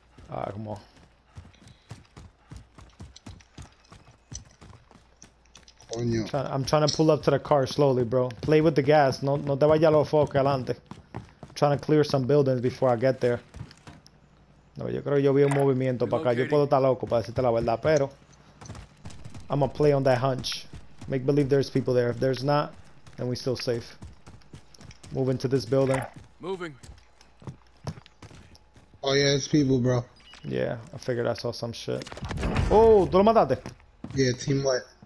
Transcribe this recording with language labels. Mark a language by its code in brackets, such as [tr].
[en] Ah, come on. [es] Coño. [en] I'm trying to pull up to the car slowly, bro. Play with the gas. [es] No te vayas a los focos adelante. [en] I'm trying to clear some buildings before I get there. [es] No, yo creo que yo vi un movimiento para acá. Yo puedo estar loco para decirte la verdad, pero... [en] I'm gonna play on that hunch. Make believe there's people there. If there's not, then we still safe. Move into this building. Moving. Oh yeah, it's people, bro. Yeah, I figured I saw some shit. Oh, [es] ¿tú lo mataste? [en] Yeah, team white.